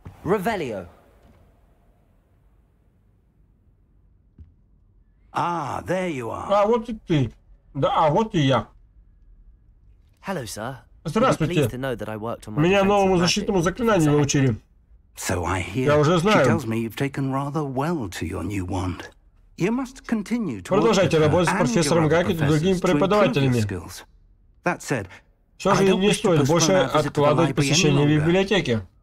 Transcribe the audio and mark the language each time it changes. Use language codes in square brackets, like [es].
[ru] Ревелио. [en] А, there you are. [ru] А вот и ты. Да, а вот и я. [en] Hello, sir. [ru] Здравствуйте. Меня новому защитному заклинанию научили. [en] So I hear. [ru] Я уже знаю. [en] She tells me you've taken rather well to your new wand. You must continue to. [ru] Продолжайте работать с профессором Гагет и другими преподавателями. [en] That said. [ru] Все же не стоит больше откладывать посещение библиотеки.